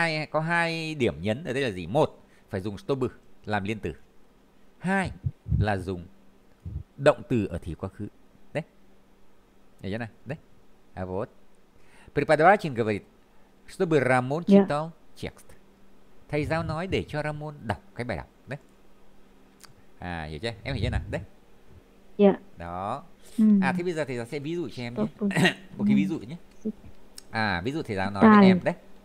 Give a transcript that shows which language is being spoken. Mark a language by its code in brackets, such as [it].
[vi] Có hai điểm nhấn ở đây là gì? Một, phải dùng stop làm liên từ. Hai là dùng động từ ở thì quá khứ. Đấy. Để chỗ này, đấy. À вот. [ru] Преподаватель говорит, чтобы Рамон читал текст. [vi] Thầy giáo nói để cho Ramon đọc cái bài đọc. Đấy. Hiểu chưa? Em hiểu chưa nào? Đấy. Đó. Thế bây giờ thầy giáo sẽ ví dụ cho em nhé. Một cái ví dụ nhé. Ví dụ thầy giáo nói với em đấy.